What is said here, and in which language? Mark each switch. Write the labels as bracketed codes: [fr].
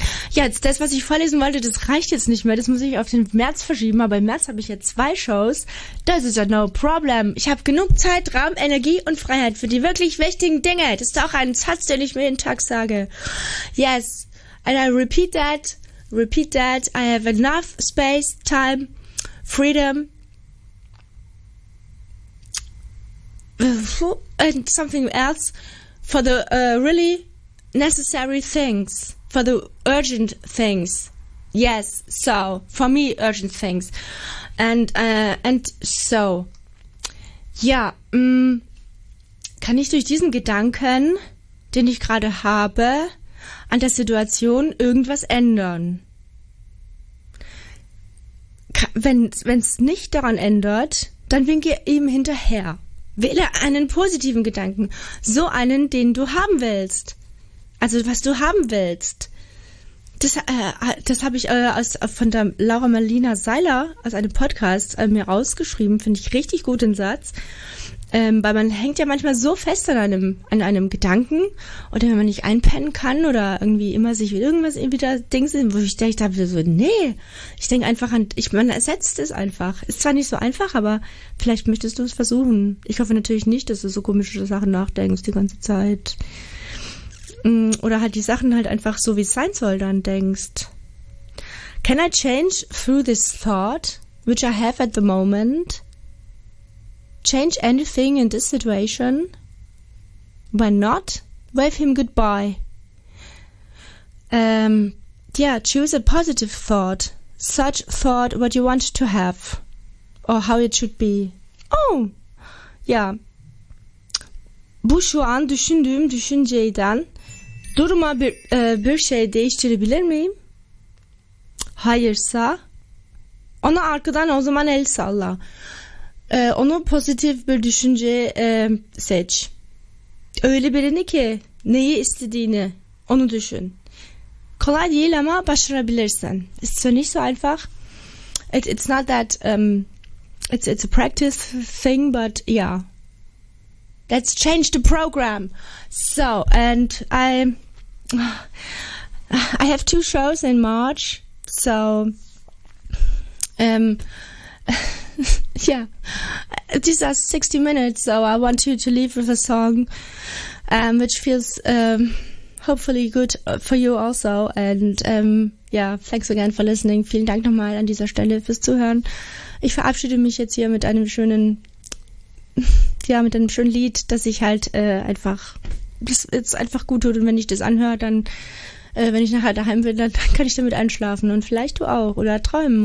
[de] Jetzt, das, was ich vorlesen wollte, das reicht jetzt nicht mehr. Das muss ich auf den März verschieben. Aber im März habe ich jetzt 2 Shows. Das ist ja no problem. Ich habe genug Zeit, Raum, Energie und Freiheit für die wirklich wichtigen Dinge. Das ist auch ein Satz, den ich mir jeden Tag sage. [en] Yes. And I repeat that. Repeat that. I have enough space, time, freedom. And something else for the really necessary things, for the urgent things. Yes, so for me urgent things, and so [de] ja, kann ich durch diesen Gedanken, den ich gerade habe, an der Situation irgendwas ändern? Wenn es nicht daran ändert, dann winke ich ihm hinterher. Wähle einen positiven Gedanken. So einen, den du haben willst. Also, was du haben willst. Das habe ich von der Laura Marlina Seiler aus einem Podcast mir rausgeschrieben. Finde ich richtig gut, den Satz. Weil man hängt ja manchmal so fest an einem Gedanken. Oder wenn man nicht einpennen kann oder irgendwie immer sich irgendwas wieder Dings, wo ich denke, so, nee. Ich denke einfach an, man ersetzt es einfach. Ist zwar nicht so einfach, aber vielleicht möchtest du es versuchen. Ich hoffe natürlich nicht, dass du so komische Sachen nachdenkst die ganze Zeit. Oder halt die Sachen halt einfach so, wie es sein soll, dann denkst. [en] Can I change through this thought, which I have at the moment? Change anything in this situation? Why not? Wave him goodbye. Yeah, choose a positive thought. Such thought what you want to have. Or how it should be. Oh! Yeah. [tr] Bu şu an düşündüğüm düşünceyden duruma bir şey değiştirebilir miyim? Hayırsa ona arkadan o zaman el salla. Onu pozitif bir düşünce seç. Öyle birini ki neyi istediğini onu düşün. Kolay değil ama başarabilirsin. [de] Ist so nicht so einfach. [en] It's not that it's a practice thing, but yeah. Let's change the program. So, and I have two shows in March. So, yeah, these are 60 minutes, so I want you to leave with a song which feels hopefully good for you also. And yeah, thanks again for listening. [de] Vielen Dank nochmal an dieser Stelle fürs Zuhören. Ich verabschiede mich jetzt hier mit einem schönen, ja, mit einem schönen Lied, das ich halt einfach, das jetzt einfach gut tut. Und wenn ich das anhöre, dann, wenn ich nachher daheim bin, dann kann ich damit einschlafen. Und vielleicht du auch. Oder träumen.